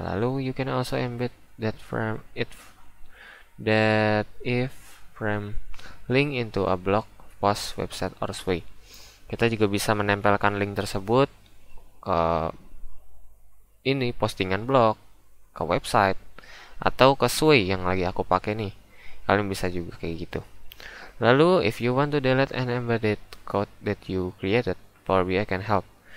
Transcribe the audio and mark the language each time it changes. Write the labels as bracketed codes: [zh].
[en] Lalu you can also embed that frame if frame link into a blog post, website or sway. [id] Kita juga bisa menempelkan link tersebut ke ini postingan blog, ke website atau ke sway yang lagi aku pakai nih. Kalian bisa juga kayak gitu. [en] Lalu if you want to delete an embedded code that you created, Power BI can help.